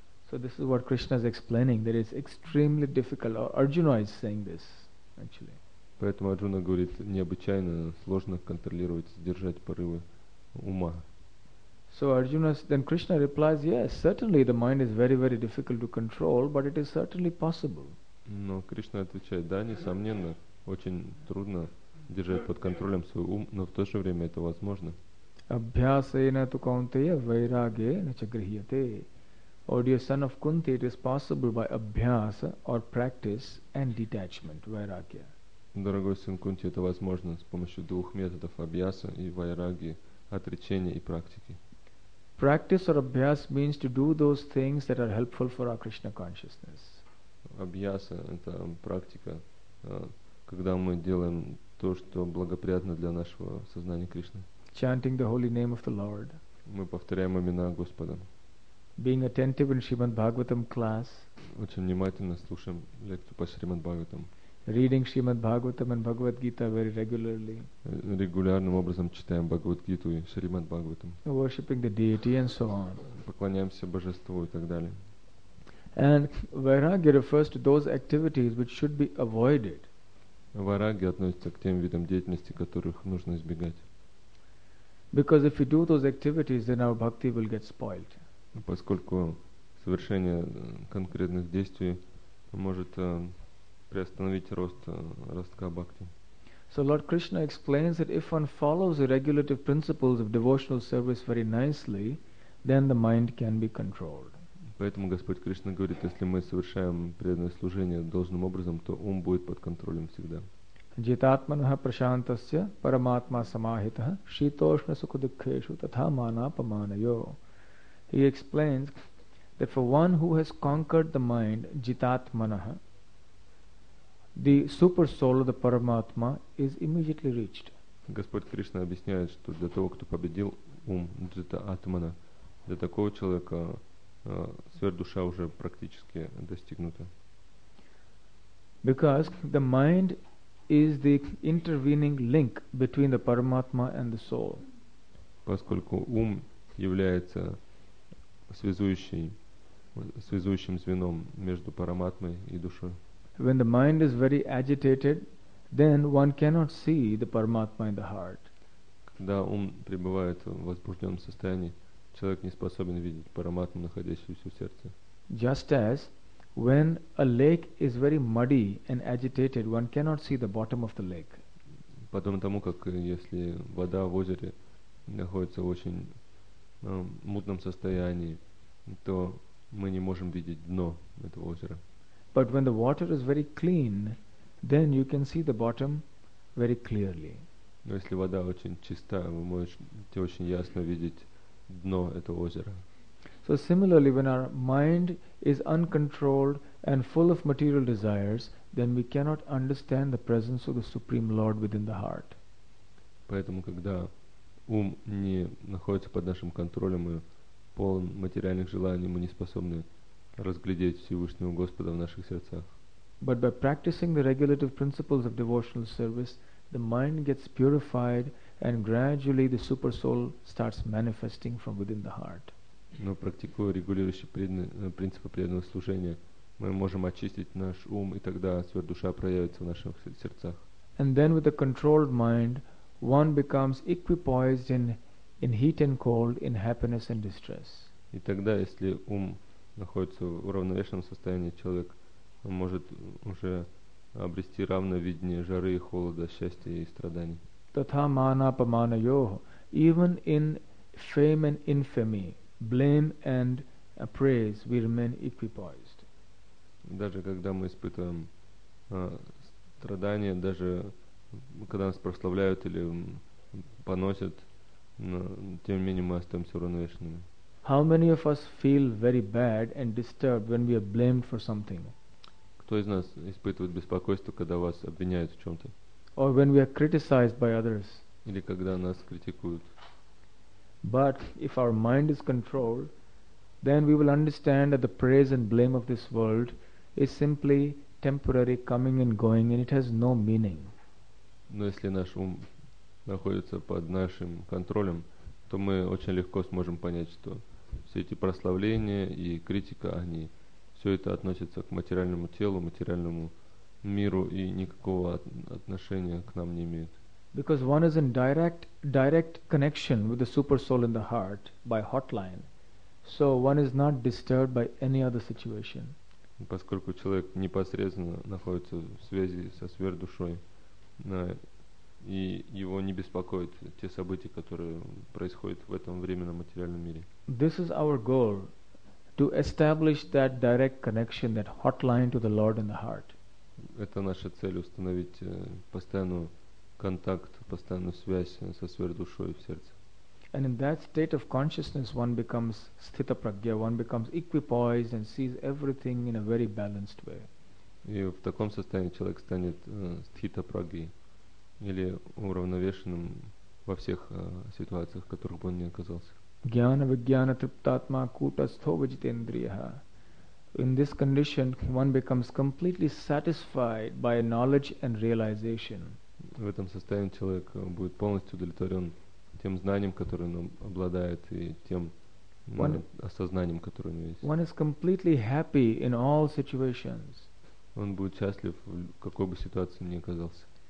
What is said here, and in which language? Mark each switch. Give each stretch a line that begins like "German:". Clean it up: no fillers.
English: So this is what Krishna is explaining, that it's extremely difficult. Arjuna is saying this, actually.
Russian: Поэтому Арджуна говорит, необычайно сложно контролировать, сдержать порывы ума.
English: So Arjuna, then Krishna replies, yes, certainly the mind is very, very difficult to control, but it is certainly possible.
Russian: Но Кришна отвечает, да, несомненно, очень трудно держать под контролем свой ум, но в то же время это возможно.
Sanskrit: Abhyasena tu kaunteya vairage nachagrihyate.
English: O dear son of Kunti, it is possible by abhyasa or practice and detachment, vairagya.
Russian: Дорогой сын Кунти, это возможно с помощью двух методов, абьяса и вайраги, отречения и практики.
English: Practice or abhyas means to do those things that are helpful for our Krishna consciousness.
Russian: Abhyasa – это практика, когда мы делаем то, что благоприятно для нашего сознания Кришны.
English: Chanting the holy name of the Lord.
Russian: Мы повторяем имена Господа.
English: Being attentive in Shrimad Bhagavatam class.
Russian: Очень внимательно слушаем лекцию по Шримад Бхагаватам.
English: Reading Shrimad Bhagavatam and Bhagavad Gita very regularly.
Russian: Регулярным образом читаем Бхагавад Гиту и Шримад Бхагаватам.
English: Worshipping the deity and so on.
Russian: Поклоняемся божеству и так далее.
English: And Vairagya refers to those activities which should be avoided.
Russian: Вайрагья относится к тем видам деятельности, которых нужно избегать.
English: Because if we do those activities, then our bhakti will get spoiled.
Russian: Поскольку совершение конкретных действий может приостановить рост ростка бхакти.
English: So Lord Krishna explains that if one follows the regulative principles of devotional service very nicely, then the mind can be controlled.
Russian: Поэтому Господь Кришна говорит, если мы совершаем преданное служение должным образом, то ум будет под контролем всегда.
Sanskrit: Jitātmanah prashantasya paramātmā samāhitah śītoṣṇa sukha-dukkheṣu tathā mānāpamānayo.
English: He explains that for one who has conquered the mind, jitātmanah, the super soul of the paramātmā is immediately reached.
Russian: Господь Кришна объясняет, что для того, кто победил ум, jitātmanah, для такого человека сверхдуша уже практически достигнута.
English: Because the mind is the intervening link between the paramātmā and the soul.
Russian: Поскольку ум является связующим звеном между параматмой и душой.
English: When the mind is very agitated, then one cannot see the paramatma in the heart.
Russian: Когда ум пребывает в возбужденном состоянии, человек не способен видеть параматму, находящуюся в сердце.
English: Just as when a lake is very muddy and agitated, one cannot see the bottom of the lake.
Russian: Подобно тому, как если вода в озере находится в очень мутном состоянии, то мы не можем видеть дно этого озера.
English: But when the water is very clean, then you can see the bottom very clearly.
Russian: Но если вода очень чистая, вы можете очень ясно видеть дно этого озера.
English: So similarly, when our mind is uncontrolled and full of material desires, then we cannot understand the presence of the Supreme Lord within the heart.
Russian: Поэтому, когда ум не находится под нашим контролем и полон материальных желаний, мы не способны разглядеть Всевышнего Господа в наших сердцах.
English: But by practicing the regulative principles of devotional service, the mind gets purified and gradually the super soul starts manifesting from within the heart.
Russian: Но практикуя регулирующие принципы преданного служения, мы можем очистить наш ум, и тогда сверхдуша проявится в наших сердцах.
English: And then with a controlled mind, one becomes equipoised in heat and cold, in happiness and distress.
Russian: И тогда, если ум находится в уравновешенном состоянии, человек может уже обрести равное видение жары и холода, счастья и страданий.
Sanskrit: Татха мана памана йоха.
English: Even in fame and infamy, blame and praise, we remain equipoised.
Russian: Даже когда мы испытываем страдания, даже когда нас прославляют или поносят, но тем не менее мы остаемся уравновешенными.
English: How many of us feel very bad and disturbed when we are blamed for something?
Russian: Кто из нас испытывает беспокойство, когда вас обвиняют в чем-то?
English: Or when we are criticized by others?
Russian: Или когда нас критикуют?
English: But if our mind is controlled, then we will understand that the praise and blame of this world is simply temporary, coming and going, and it has no meaning.
Russian: Но если наш ум находится под нашим контролем, то мы очень легко сможем понять, что все эти прославления и критика, они все это относятся к материальному телу, материальному миру и никакого отношения к нам не имеют.
English: Because one is in direct connection with the super soul in the heart by hotline, so one is not disturbed by any other situation.
Russian: Поскольку человек непосредственно находится в связи со сверхдушой, и его не беспокоят те события, которые происходят в этом временном материальном мире.
English: This is our goal, to establish that direct connection, that hotline to the Lord in the heart.
Russian: Это наша цель, установить постоянную контакт, постоянную связь со сверхдушой в сердце.
English: And in that state of consciousness, one becomes sthita pragya, one becomes equipoised and sees everything in a very balanced way.
Russian: И в таком состоянии человек станет sthita pragya, или уравновешенным во всех ситуациях, в которых бы он ни оказался.
Sanskrit: Gyana vijnana triptatma kutastho vijitendriya.
English: In this condition, one becomes completely satisfied by knowledge and realization.
Russian: В этом состоянии человек будет полностью удовлетворен тем знанием, которое он обладает, и тем осознанием, которое у него есть.
English: One is completely happy in all situations.
Russian: Он будет счастлив в какой бы ситуации ни оказался.